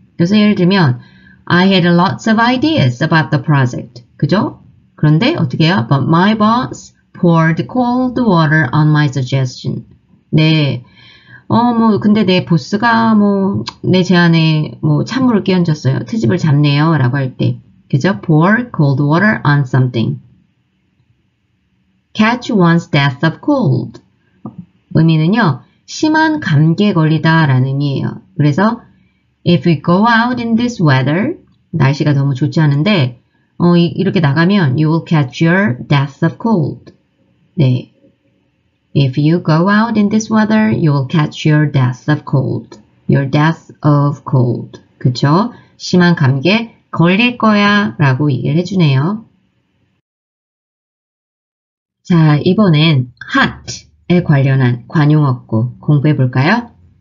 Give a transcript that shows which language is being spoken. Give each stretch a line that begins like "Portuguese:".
Korean: 그래서 예를 들면
English: I had lots of ideas about the project.
Korean: 그죠? 그런데 어떻게 해요?
English: But my boss poured cold water on my suggestion.
Korean: 네. 근데 내 보스가 내 제안에 찬물을 끼얹었어요. 트집을 잡네요. 라고 할 때. 그죠?
English: Pour cold water on something. Catch one's death of cold.
Korean: 의미는요, 심한 감기에 걸리다 라는 의미예요. 그래서
English: if we go out in this weather,
Korean: 날씨가 너무 좋지 않은데, 이렇게 나가면
English: you will catch your death of cold.
Korean: 네.
English: If you go out in this weather, you will catch your death of cold. Your death of cold.
Korean: 그쵸? 심한 감기에 걸릴 거야 라고 얘기를 해주네요. 자, 이번엔 hot에 관련한 관용어구 공부해 볼까요?